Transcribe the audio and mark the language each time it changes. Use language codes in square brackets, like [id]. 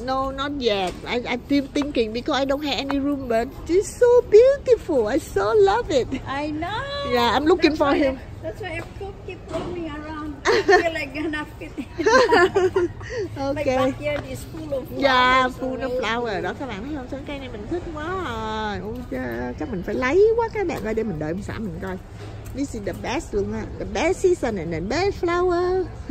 [en] No, not yet. I'm still thinking because I don't have any room, but it's so beautiful. I so love it. I know. Yeah, I'm looking that's for him. That's why I keep roaming around. I feel like gonna fit in. Okay. My backyard is full of flowers. Yeah, full of flowers. [vi] Đó, các bạn thấy không? Sân cây này mình thích quá rồi. Ôi trời, chắc mình phải lấy quá các bạn ơi. Để mình đợi ông xã mình coi. [en] This is the best [vi] luôn á, [en] the best season and the best flower.